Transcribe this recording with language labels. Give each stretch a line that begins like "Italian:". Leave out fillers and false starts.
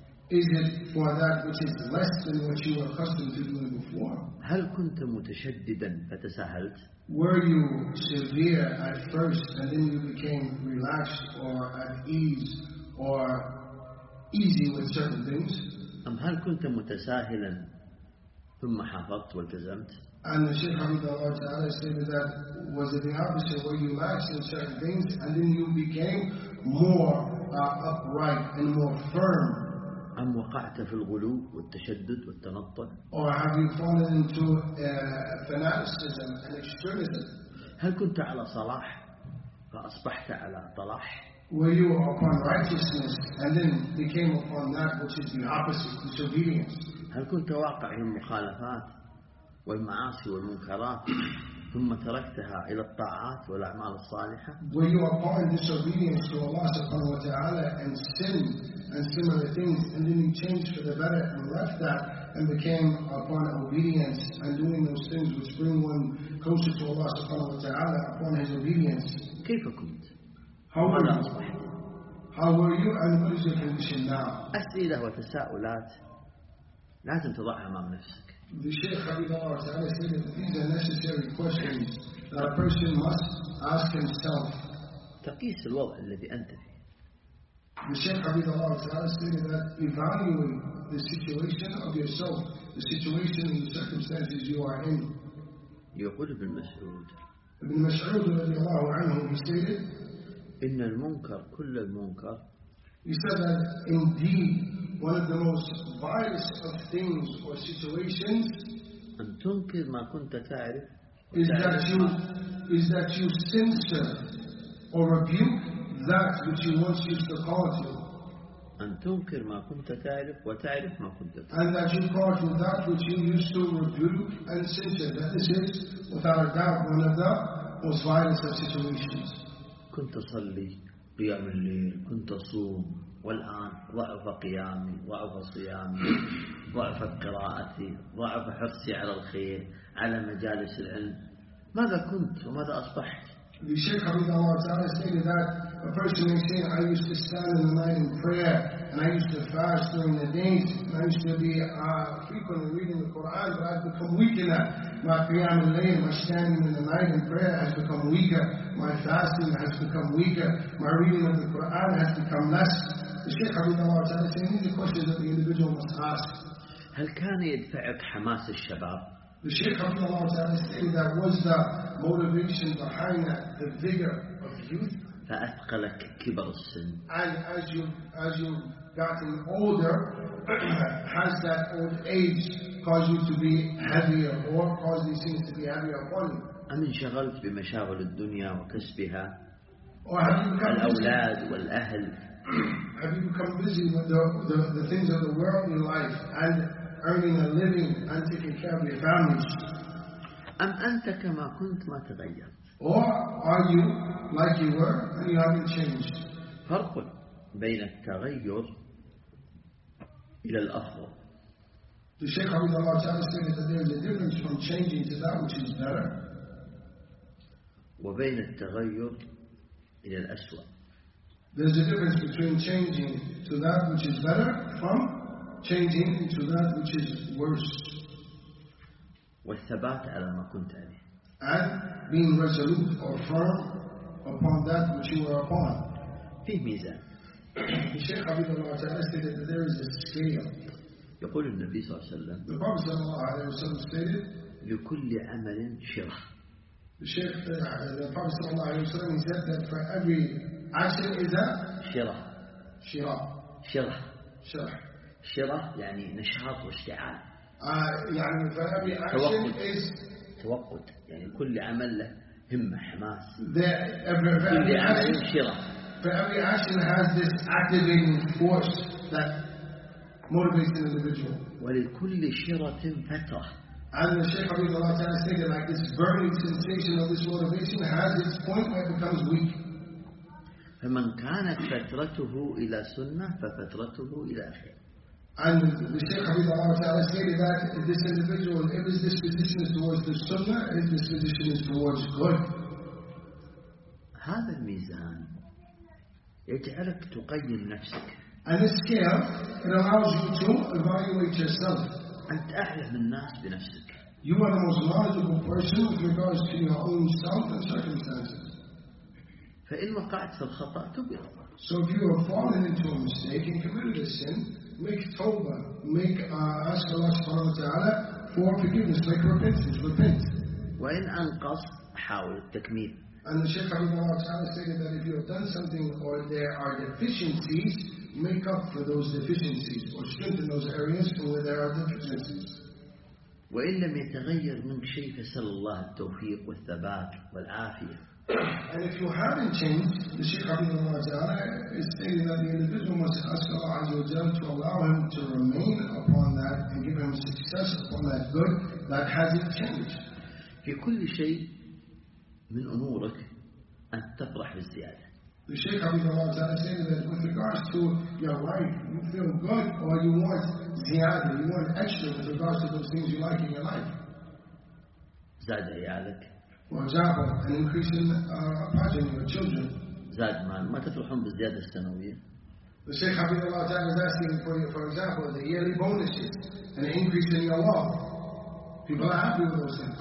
English: Is it for that which is less than what you were accustomed to doing before?
Arabic: هل كنت متشددا فتساهلت؟
English: Were you severe at first and then you became relaxed or at ease or easy with certain things?
Arabic: أم هل كنت متساهلا ثم حافظت والتزمت؟
English: And the Shaykh Hamidullah Ta'ala said that was it the opposite, where you lacked in certain things and then you became more upright and more firm?
Arabic: أم وقعت في الغلو والتشدد والتنطع؟
English: Or have you fallen into fanaticism and extremism?
Arabic: هل كنت على صلاح فأصبحت على طلاح؟
English: Where you were upon righteousness and then became upon that which is the opposite, disobedience?
Arabic: هل كنت واقع في المخالفات والمعاصي والمنكرات ثم تركتها إلى الطاعات والأعمال الصالحة؟
English: Were you upon disobedience to Allah subhanahu wa ta'ala and sin and similar things and then you changed for the better and left that and became upon obedience and doing those things which bring one closer to Allah subhanahu wa ta'ala upon his obedience?
Arabic: كيف كنت؟
English: How were you? How were you and what is your condition now?
Arabic: أسئلة وتساؤلات لا تنتضع أمام نفسك.
English: The Shaykh Habibullah Ta'ala said that these are necessary questions that a person must ask himself.
Arabic: تقيس الوضع الذي أنت فيه.
English: The Shaykh Habibullah Ta'ala said that evaluate the situation of yourself, the situation and the circumstances you are in.
Arabic: يقول ابن مسعود. ابن مسعود رضي الله عنه
English: said,
Arabic: إن المنكر كل المنكر.
English: He said that indeed one of the most vilest of things or situations
Arabic: أن تنكر ما كنت تعرف
English: is that you censor or rebuke that which you once used to call to.
Arabic: أن تنكر ما كنت تعرف وتعرف ما كنت تعرف.
English: And that you call to that which you used to rebuke and censor. That is it, without a doubt, one of the most vilest of situations.
Arabic: كنت أصلي قيام الليل، كنت أصوم، والآن ضعف قيامي، ضعف صيامي، ضعف قراءتي، ضعف حرصي على الخير، على مجالس العلم. ماذا كنت وماذا أصبحت؟
English: The Shaykh Hamidullah Ta'ala said that a person may say, I used to stand in the night in prayer, and I used to fast during the days, and I used to be frequently reading the Quran, but I've become weak in that. My qiyam al-layl, my standing in the night in prayer has become weaker, my fasting has become weaker, my reading of the Quran has become less. The Shaykh Hamidullah Ta'ala said, these are the questions that the individual must ask.
Arabic: هل كان يدفعك حماس الشباب؟
English: The Shaykh Abdullah Ta'ala said that was the motivation behind that, the vigor of youth.
Arabic: فأثقلك كبر السن.
English: And as you've gotten older, has that old age caused you to be heavier or caused these things to be heavier upon you?
Arabic: أم انشغلت بمشاغل الدنيا وكسبها؟
English: Or have you become
Arabic: الأولاد والأهل.
English: Have you become busy with the things of the world in life and earning a living and taking care of your families?
Arabic: أم أنت كما كنت ما تغيرت؟
English: Or are you like you were and you haven't changed?
Arabic: فرق بين التغير إلى الأفضل.
English: The Shaykh Abdullah Ta'ala said that there is a difference from changing to that which is better.
Arabic: وبين التغير إلى الأسوأ.
English: There's a difference between changing to that which is better from changing into that which is worse.
Arabic: والثبات على ما كنت عليه.
English: And being resolute or firm upon that which you were upon.
Arabic: في ميزان.
English: The Shaykh Habibullah Ta'ala said that there is a scale.
Arabic: يقول النبي صلى الله عليه وسلم.
English: The Prophet
Arabic: صلى الله عليه وسلم
English: stated.
Arabic: لكل عمل شرح.
English: The Shaykh, the Prophet
Arabic: صلى الله عليه وسلم
English: said that for every action is a
Arabic: شرح. شرح. شرح. شرح. شرح يعني نشاط واشتعال. يعني
English: for every action is
Arabic: توقد. يعني كل عمل له همة حماس.
English: For every action has this activating force that motivates the individual.
Arabic: ولكل شرة فترة.
English: And the Shaykh Abdullah Ta'ala said that like this burning sensation of this motivation has its point where it becomes weak.
Arabic: فمن كانت فترته إلى سنة ففترته إلى خير.
English: And the Shaykh Habibullah Ta'ala stated that this individual, if his disposition is towards the Sunnah, his disposition is towards good.
Arabic: هذا الميزان يجعلك تقيم نفسك.
English: And this scale, it allows you to evaluate yourself.
Arabic: أنت أحلى من الناس بنفسك.
English: You are the most knowledgeable person with regards to your own self and circumstances.
Arabic: فإن وقعت في الخطأ تبي.
English: So if you have fallen into a mistake and committed a sin, make tawbah, make ask Allah Subhanahu wa Taala for forgiveness, make repentance, repent.
Arabic: وإن أنقص حاول التكميل.
English: And the Shaykh Habibullah Ta'ala stated that if you have done something or there are deficiencies, make up for those deficiencies or strengthen those areas for where there are deficiencies.
Arabic: وإن لم يتغير منك شيء فسأل الله التوفيق والثبات والعافية.
English: And if you haven't changed, the Shaykh Habibullah Ta'ala is stating that the individual must ask Allah Azza wa Jal to allow him to remain upon that and give him success upon that good that hasn't changed.
Arabic: في كل شيء من أمورك أن تفرح بالزيادة.
English: The Shaykh Habibullah Ta'ala said that with regards to your life, you feel good or you want
Arabic: ziyada,
English: you want extra with regards to those things you like in your life.
Arabic: زاد عيالك.
English: For example, an increase in progeny or children.
Arabic: زاد مال. ما تفرحون بالزيادة السنوية.
English: The Shaykh Habibullah Ta'ala is asking for you, for example, the yearly bonuses, an increase in your wealth. People are happy with those things.